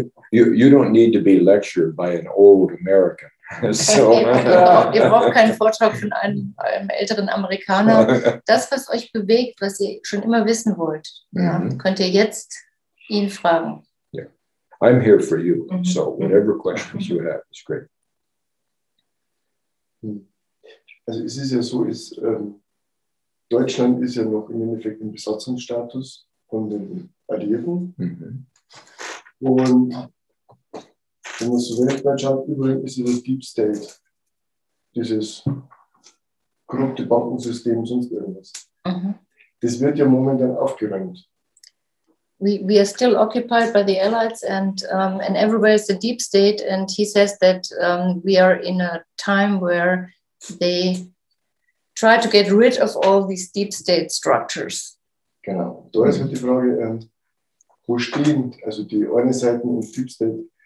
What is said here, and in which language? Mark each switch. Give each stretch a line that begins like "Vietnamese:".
English: You don't need to be lectured by an old American. So.
German: Ihr braucht keinen Vortrag von einem älteren Amerikaner. Das, was euch bewegt, was ihr schon immer wissen wollt, könnt ihr jetzt ihn fragen.
English: Yeah. I'm here for you. Mm-hmm. So whatever questions you have is great.
German: Also es ist ja so, Deutschland ist ja noch im Endeffekt im Besatzungsstatus von den Alliierten. Mm-hmm. Und wenn man so weltweit schaut, übrigens ist dieses Deep State, dieses korrupte Bankensystem, sonst irgendwas. Mm-hmm. Das wird ja momentan aufgeräumt.
English: We are still occupied by the Allies and everywhere is the Deep State and he says that we are in a time where they try to get rid of all these deep state structures.
German: Genau. Da ist halt die Frage, wo stehen also die eine Seite und deep state?